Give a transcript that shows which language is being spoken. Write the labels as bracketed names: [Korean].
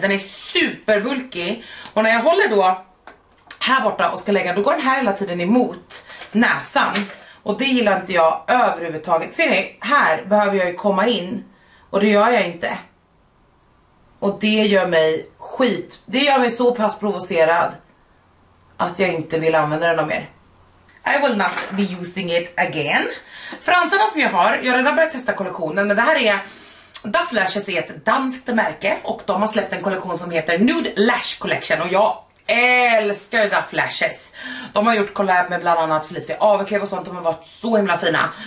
[Swedish] Den är superbulky. Och när jag håller då här borta och ska lägga, då går den här hela tiden emot näsan. Och det gillar inte jag överhuvudtaget. Ser ni, här behöver jag ju komma in. Och det gör jag inte. Och det gör mig skit. Det gör mig så pass provocerad att jag inte vill använda den mer. [English] I will not be using it again. [Swedish] Fransarna som jag har, jag har redan börjat testa kollektionen. Men det här är Duff Lashes, är ett danskt märke. Och de har släppt en kollektion som heter Nude Lash Collection. Och jag älskar Duff Lashes. De har gjort collab med bland annat Felicia Avekev och sånt. De har varit så himla fina.